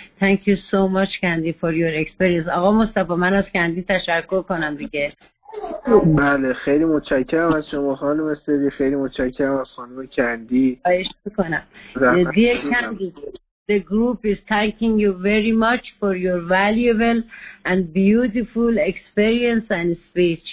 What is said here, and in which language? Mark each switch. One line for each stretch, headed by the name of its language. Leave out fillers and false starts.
English: Thank you so much, Candy, for your experience.
Persian: آقا مصطفی من از Candy تشکر کنم دیگه. بله خیلی متشکرم از شما خانم استری، خیلی متشکرم از خانم کندی. خواهش میکنم.
English: Dear Candy, the group is thanking you very much for your valuable and beautiful experience and speech.